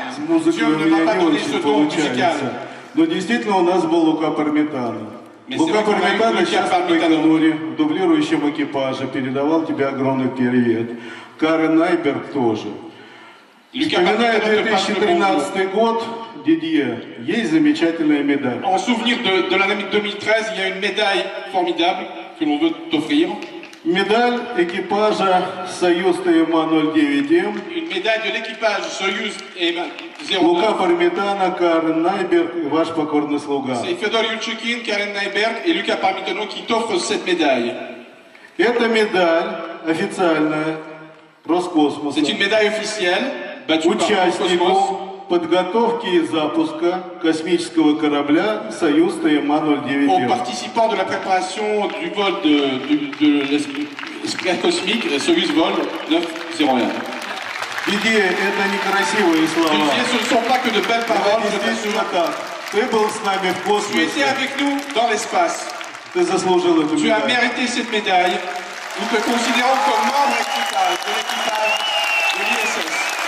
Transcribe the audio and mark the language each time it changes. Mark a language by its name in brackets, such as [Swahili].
[Russian] С музыкой у меня не очень получается. Но действительно у нас был Лука Пармитано. Лука Пармитано сейчас в Байконуре, в дублирующем экипаже, передавал тебе огромный привет. Карен Найберг тоже. Вспоминая 2013 год, Дидье, есть замечательная медаль. [French] En souvenir de l'année 2013, il y a une médaille formidable que l'on veut t'offrir. [Russian] Медаль экипажа Союз ТМА-09М. [French] Медаль de l'équipage Союз ТМА-09М. [Russian] Лука Пармитано, Карен Найберг, ваш покорный слуга. [French] C'est Федор Юрчихин, Карен Найберг и Лука Пармитано, qui t'offrent cette médaille. [Russian] Это медаль официальная Роскосмоса. [French] C'est une médaille officielle battue [Russian] участнику [French] par Роскосмос. [Russian] Подготовки и запуска космического корабля Союз ТМА-09. [French] Aux participants de la préparation du vol de l'esprit cosmique, Союз vol 901. [Russian] Дидье, это некрасивые слова. [French] Дидье, ce ne sont pas que de belles paroles. [Russian] Это действительно так. Ты был с нами в космосе. [French] Tu étais avec nous dans l'espace. [Russian] Ты заслужил эту [French] медаль. Tu as mérité cette médaille. Nous te considérons comme membre de l'équipage de l'ISS.